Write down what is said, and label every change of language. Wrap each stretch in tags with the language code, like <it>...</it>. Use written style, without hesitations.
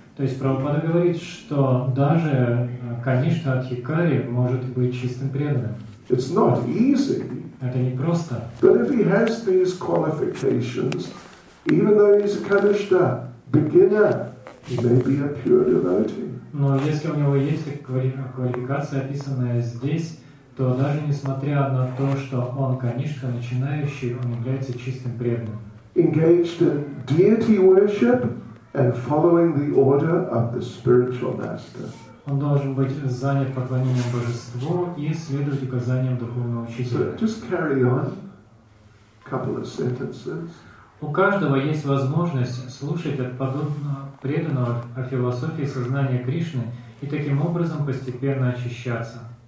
<ru>То есть Прабхупада говорит, что даже Каништа адхикари может быть чистым преданным.</ru> <en>It's not easy.</en> <ru>Это не просто.</ru> <en>But if he has these qualifications, even though he's a Kanishtha beginner, he may be a pure devotee.</en> <ru>Но если у него есть квалификация, описанная здесь, то даже несмотря на то, что он, конечно, начинающий, он является чистым преданным.</ru> <en>Engaged in deity worship and following the order of the spiritual master.</en> <ru>Он должен быть занят поклонением божеству и следовать указаниям духовного учителя.</ru> <en>So just carry on a couple of sentences.</en> <ru>У каждого есть возможность слушать от подобного преданного о философии сознания Кришны и таким образом постепенно очищаться.</ru>